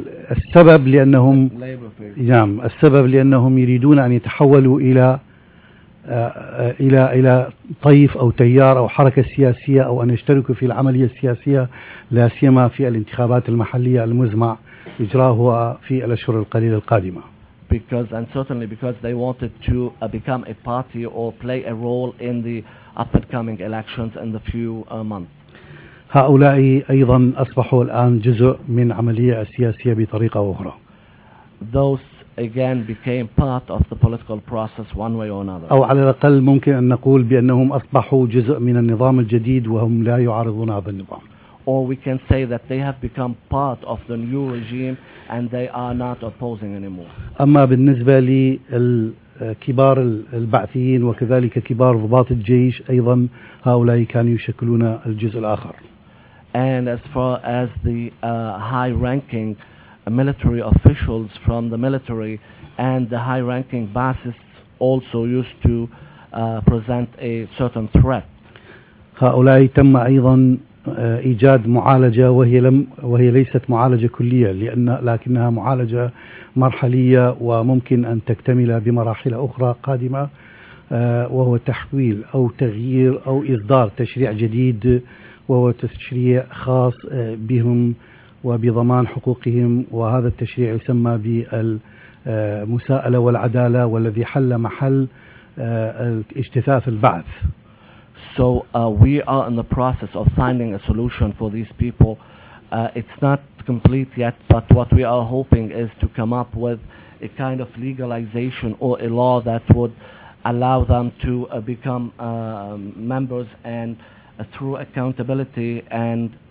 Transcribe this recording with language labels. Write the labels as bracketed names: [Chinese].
[Arabic] السبب لأنهم نعم السبب لأنهم يريدون أن يتحولوا إلى إلى إلى طيف أو تيار أو حركة سياسية أو أن يشتركوا في العملية السياسية لا سيما في الانتخابات المحلية المزمع إجراءها في الأشهر القليلة القادمة. [English] Because and certainly because they wanted to become a party or play a role in the up-and-coming elections in the few months. [Arabic] هؤلاء أيضا أصبحوا الآن جزء من عملية سياسية بطريقة أخرى. [English] Those again became part of the political process one way or another. [Arabic] أو على الأقل ممكن أن نقول بأنهم أصبحوا جزء من النظام الجديد وهم لا يعارضون هذا النظام. [English] Or we can say that they have become part of the new regime and they are not opposing anymore. [Arabic] أما بالنسبة لكبار البعثيين وكذلك كبار ضباط الجيش أيضا هؤلاء كانوا يشكلون الجزء الآخر. [English] And as far as the high-ranking military officials from the military and the high-ranking Baathists also used to present a certain threat. [Arabic] هؤلاء تم أيضا إيجاد معالجة وهي ليست معالجة كلية لأن لكنها معالجة مرحلية وممكن أن تكتمل بمراحل أخرى قادمة وهو تحويل أو تغيير أو إصدار تشريع جديد وهو تشريع خاص بهم وبضمان حقوقهم وهذا التشريع يسمى بالمساءلة والعدالة والذي حل محل اجتثاث البعث. [English] So we are in the process of finding a solution for these people. It's not complete yet, but what we are hoping is to come up with a kind of legalization or a law that would allow them to become members and through accountability and